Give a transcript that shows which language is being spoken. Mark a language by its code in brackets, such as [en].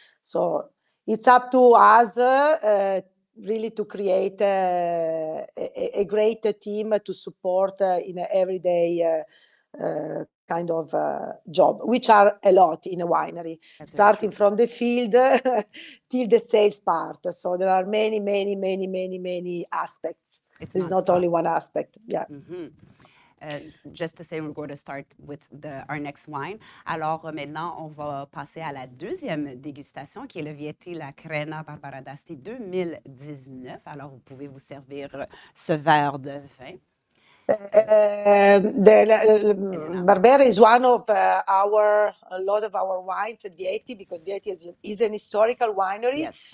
[en] So it's up to us really to create a great team to support in an everyday kind of job, which are a lot in a winery. That's starting from the field till the sales part. So there are many, many, many, many, many aspects. It's not only one aspect. Yeah. Mm-hmm. Just to say, we're going to start with our next wine. [fr] Alors maintenant, on va passer à la deuxième dégustation, qui est le Vietti La Crena Barbera 2019. Alors, vous pouvez vous servir ce verre de vin. [en] Barbera is one of our, a lot of our wines at Vietti, because Vietti is an historical winery.